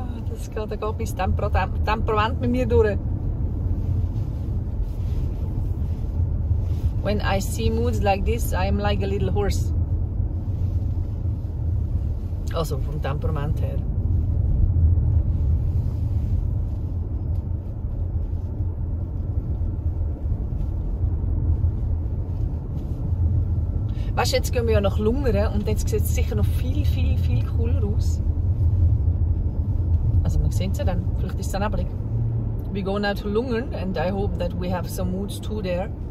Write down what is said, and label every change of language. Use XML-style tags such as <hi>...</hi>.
<de>Das geht, da geht mein Temperament mit mir durch.</de> <en>When I see moods like this, I am like a little horse.</en> <de>Also vom Temperament her. Weißt du, jetzt gehen wir ja nach Lungern und jetzt sieht es sicher noch viel, viel, viel cooler aus. Also wir sehen sie dann. Vielleicht ist es dann neblig.</de> <en>We go now to Lungern and I hope that we have some moods too there.</en>